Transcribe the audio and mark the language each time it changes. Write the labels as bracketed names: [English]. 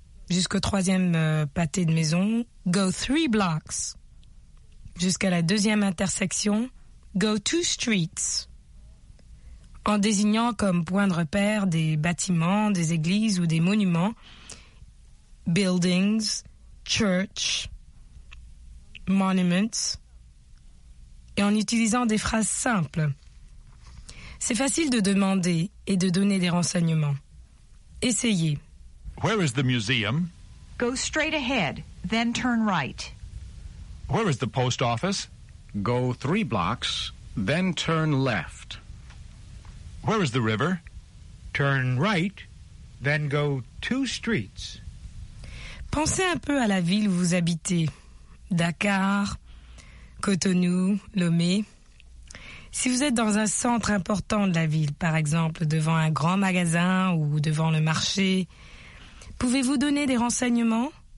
[French] jusqu'au troisième pâté de maison, [English] go three blocks, [French] jusqu'à la deuxième intersection, [English] go two streets, [French] en désignant comme point de repère des bâtiments, des églises ou des monuments, [English] buildings, church, monuments, [French] et en utilisant des phrases simples. C'est facile de demander et de donner des renseignements. Essayez. [English] Where is the museum? Go straight ahead, then turn right. Where is the post office? Go three blocks, then turn left. Where is the river? Turn right, then go two streets. [French] Pensez un peu à la ville où vous habitez. Dakar, Cotonou, Lomé. Si vous êtes dans un centre important de la ville, par exemple devant un grand magasin ou devant le marché, pouvez-vous donner des renseignements?